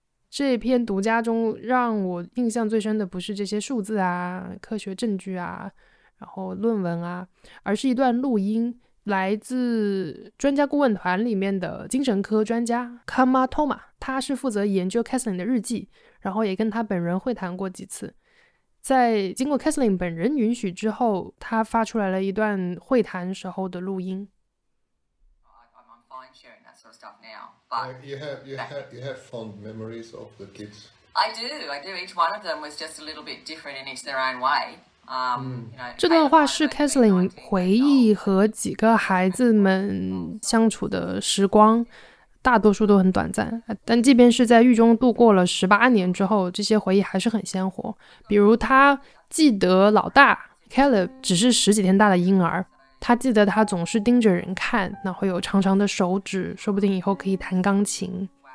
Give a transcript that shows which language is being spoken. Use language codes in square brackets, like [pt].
[zh] 这篇独家中让我印象最深的不是这些数字啊、科学证据啊、然后论文啊，而是一段录音，来自专家顾问团里面的精神科专家 Kama Toma， 他是负责研究 Kesselring 的日记，然后也跟他本人会谈过几次。在经过 Kesselring 本人允许之后，他发出来了一段会谈时候的录音。 [en] I'm fine sharing that sort of stuff now, but you have fond memories of the kids. I do. Each one of them was just a little bit different in each their own way. [zh] 这段话是 Kesselring 回忆和几个孩子们相处的时光，大多数都很短暂，但即便是在狱中度过了18年之后，这些回忆还是很鲜活。比如他记得老大 Caleb 只是十几天大的婴儿，他记得他总是盯着人看，然后有长长的手指，说不定以后可以弹钢琴。